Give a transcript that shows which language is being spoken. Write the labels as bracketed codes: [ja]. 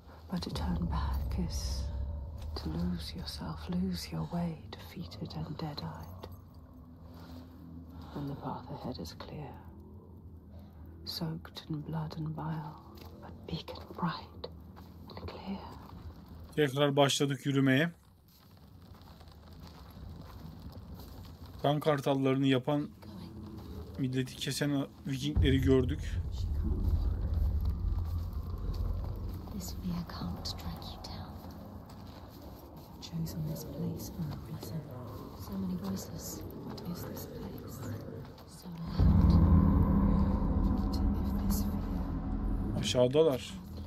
[en] But to turn back is to lose yourself, lose your way, defeated and dead-eyed. When the path ahead is clear, soaked in blood and bile, but beacon bright and clear. [tr] Tekrar başladık yürümeye. Kan kartallarını yapan, milleti kesen Vikingleri gördük. [en] This fear can't drag you down. Chosen this place for a reason. So many voices. What is this place? So loud. If this fear. [tr] Aşağıdalar.